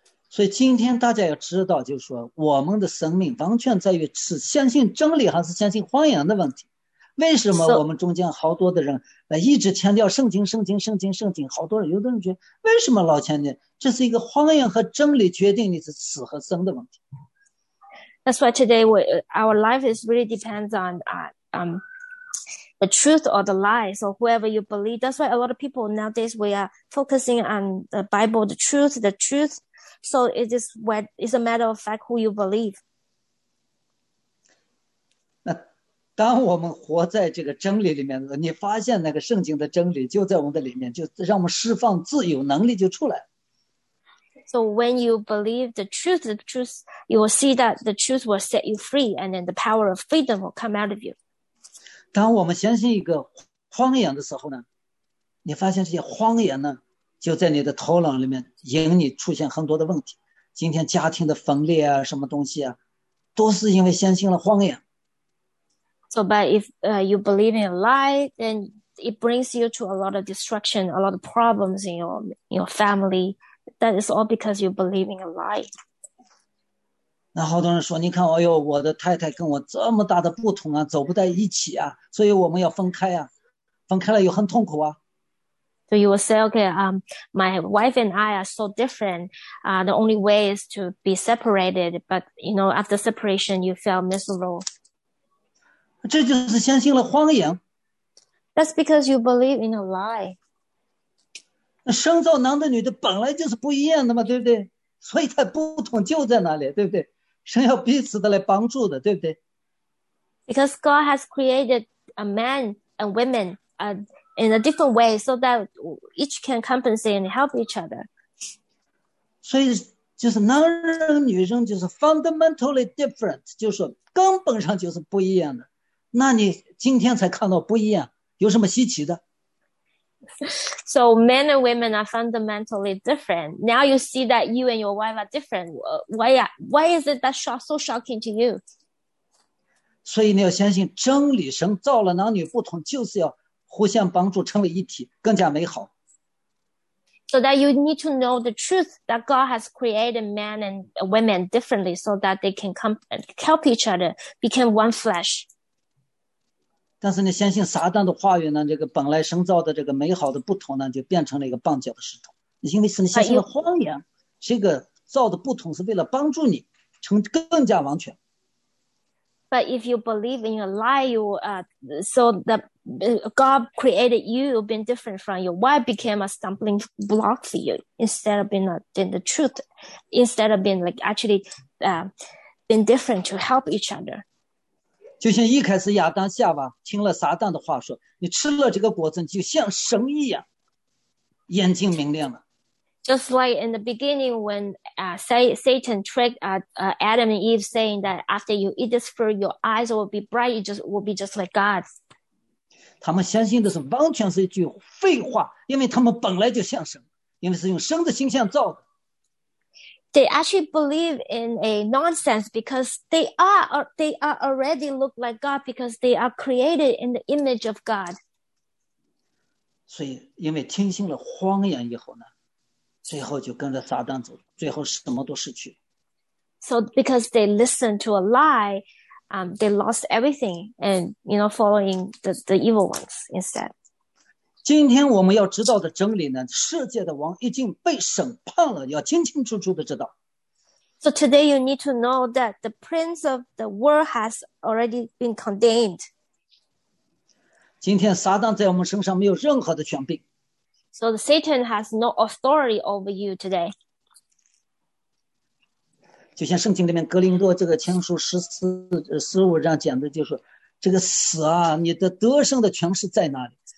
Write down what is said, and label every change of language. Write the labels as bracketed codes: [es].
[zh] 所以今天大家要知道，就是说我们的生命完全在于是相信真理还是相信谎言的问题。为什么我们中间好多的人一直强调圣经圣经圣经圣经，好多人有的人觉得为什么老强调，这是一个谎言和真理决定你是死和生的问题。 [en] That's why today our life is really depends on the truth or the lie. So whoever you believe, that's why a lot of people nowadays we are focusing on the Bible, the truth. So it is what is a matter of fact who you believe. [zh] 当我们活在这个真理里面，你发现那个圣经的真理就在我们的里面，就让我们释放自由，能力就出来。 [en] So when you believe the truth, you will see that the truth will set you free, and then the power of freedom will come out of you. [zh] 当我们相信一个谎言的时候呢，你发现这些谎言呢，就在你的头脑里面引你出现很多的问题。今天家庭的分裂啊，什么东西啊，都是因为相信了谎言。 [en] So, but if you believe in a lie, then it brings you to a lot of destruction, a lot of problems in your family. That is all because you believe in a lie. [zh] 那好多人说，你看，哎呦，我的太太跟我这么大的不同啊，走不在一起啊，所以我们要分开啊，分开了又很痛苦啊。 [en] So you will say, okay, my wife and I are so different. The only way is to be separated. But you know, after separation, you feel miserable. [zh] 这就是相信了谎言。 [en] That's because you believe in a lie. [zh] 那生造男的女的本来就是不一样的嘛，对不对？所以他不同就在哪里，对不对？神要彼此的来帮助的，对不对？ [en] Because God has created a man and women in a different way so that each can compensate and help each other. [zh] 所以就是男人女人就是 [en] fundamentally different, [zh] 就是根本上就是不一样的。那你今天才看到不一样，有什么稀奇的？ [en] So men and women are fundamentally different. Now you see that you and your wife are different. Why is it that so shocking to you? [zh] 所以你要相信真理，神造了男女不同，就是要互相帮助，成为一体，更加美好。 [en] So that you need to know the truth that God has created men and women differently so that they can help each other, become one flesh. [zh] 但是你相信撒旦的话语呢，这个本来生造的这个美好的不同呢，就变成了一个绊脚的石头。因为是你相信了谎言，这个造的不同是为了帮助你成更加完全。 [en] But if you believe in a lie, you so that God created you, you've been different from your wife became a stumbling block for you instead of being the truth, instead of being like actually being different to help each other. [zh] 就像一开始亚当夏娃听了撒旦的话说，你吃了这个果子，就像神一样，眼睛明亮了。 [en] Just like in the beginning when Satan tricked Adam and Eve saying that after you eat this fruit, your eyes will be bright, you just will be just like God's. [zh] 他们相信的是完全是一句废话，因为他们本来就像神，因为是用神的形象造的。 [en] they actually believe in a nonsense because they are already look like God because they are created in the image of God. [zh] 所以因为听信了谎言以后呢, 最后就跟着撒旦走, 最后什么都失去。 [en] So because they listened to a lie, they lost everything and, you know, following the evil ones instead. [zh] 今天我们要知道的真理呢, 世界的王已经被审判了, 要清清楚楚地知道。 [en] So today you need to know that the prince of the world has already been condemned. [zh] 今天撒旦在我们身上没有任何的权柄。 [en] So Satan has no authority over you today. [zh] 就像圣经里面格林多这个前书十四章讲的就是这个死啊,你的得胜的权势在哪里?